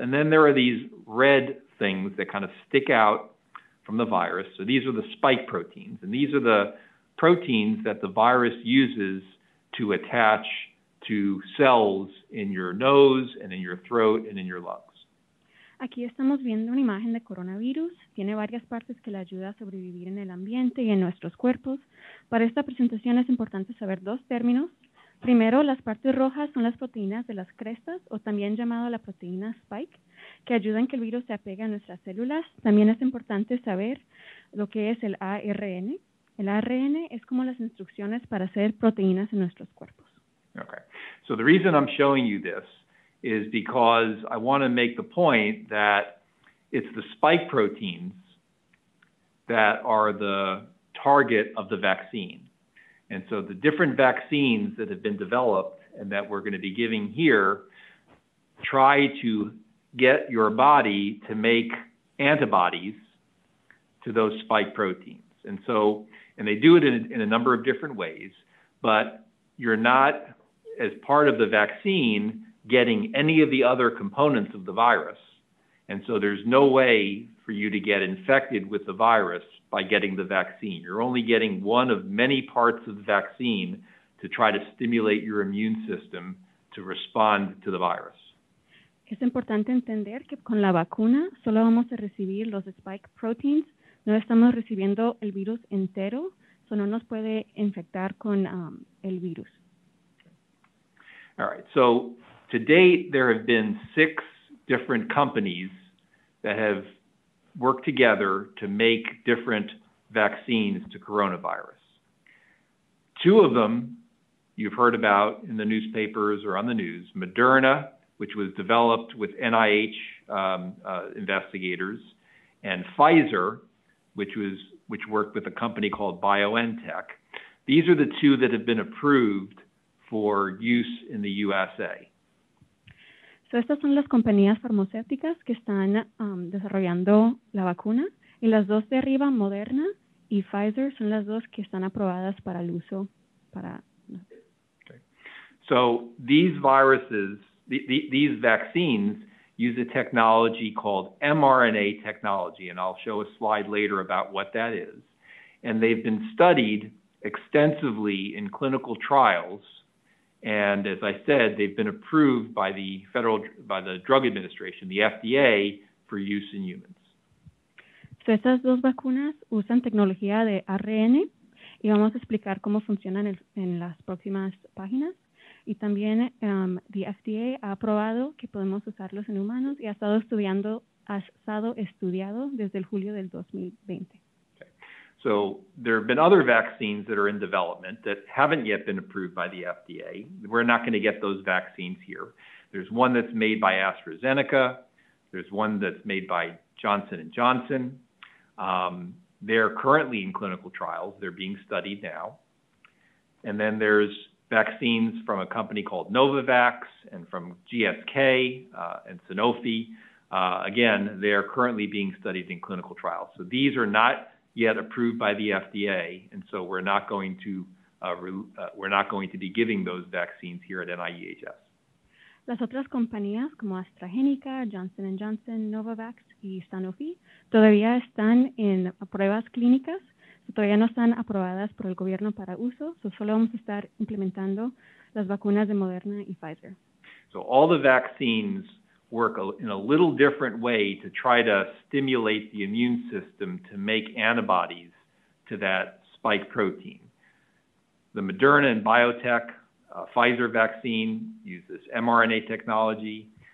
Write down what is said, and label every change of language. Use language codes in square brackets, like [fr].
[en] And then there are these red things that kind of stick out from the virus. So these are the spike proteins, and these are the proteins that the virus uses to attach to cells in your nose and in your throat and in your lungs. [es] Aquí estamos viendo una imagen de coronavirus. Tiene varias partes que le ayuda a sobrevivir en el ambiente y en nuestros cuerpos. Para esta presentación es importante saber dos términos. Primero, las partes rojas son las proteínas de las crestas, o también llamado la proteína spike, que ayudan que el virus se apegue a nuestras células. También es importante saber lo que es el ARN. El ARN es como las instrucciones para hacer proteínas en nuestros cuerpos. [en] Okay. So the reason I'm showing you this is because I want to make the point that it's the spike proteins that are the target of the vaccine. And so the different vaccines that have been developed and that we're going to be giving here try to get your body to make antibodies to those spike proteins. And so, and they do it in a number of different ways, but you're not, as part of the vaccine, getting any of the other components of the virus. And so there's no way for you to get infected with the virus by getting the vaccine. You're only getting one of many parts of the vaccine to try to stimulate your immune system to respond to the virus. [es] Es importante entender que con la vacuna solo vamos a recibir los [en] spike proteins. [es] No estamos recibiendo el virus entero, [en] so [es] no nos puede infectar con el virus. [en] All right. So to date, there have been 6 different companies that have worked together to make different vaccines to coronavirus. 2 of them you've heard about in the newspapers or on the news, Moderna, which was developed with NIH investigators, and Pfizer, which worked with a company called BioNTech. These are the 2 that have been approved for use in the USA. So [es] estas son las compañías farmacéuticas que están desarrollando la vacuna. Y las dos de arriba, Moderna y Pfizer, son las dos que están aprobadas para el uso para... [en] So these viruses, these vaccines use a technology called mRNA technology, and I'll show a slide later about what that is. And they've been studied extensively in clinical trials. And as I said, they've been approved by the federal, by the Drug Administration, the FDA, for use in humans. [es] So estas dos vacunas usan tecnología de ARN, y vamos a explicar cómo funcionan en las próximas páginas. Y también [en] the FDA [es] ha aprobado que podemos usarlos en humanos y ha estado estudiado desde el julio del 2020. [en] Okay. So there have been other vaccines that are in development that haven't yet been approved by the FDA. We're not going to get those vaccines here. There's one that's made by AstraZeneca. There's one that's made by Johnson & Johnson. They're currently in clinical trials. They're being studied now. And then there's vaccines from a company called Novavax and from GSK and Sanofi. Again, they are currently being studied in clinical trials. So these are not yet approved by the FDA, and so we're not going to be giving those vaccines here at NIEHS. [es] Las otras compañías como AstraZeneca, Johnson & Johnson, Novavax y Sanofi todavía están en pruebas clínicas. Todavía no están aprobadas por el gobierno para uso, [en] so [es] solo vamos a estar implementando las vacunas de Moderna y Pfizer. [en] So all the vaccines work in a little different way to try to stimulate the immune system to make antibodies to that spike protein. The Moderna and BioNTech Pfizer vaccine use this mRNA technology.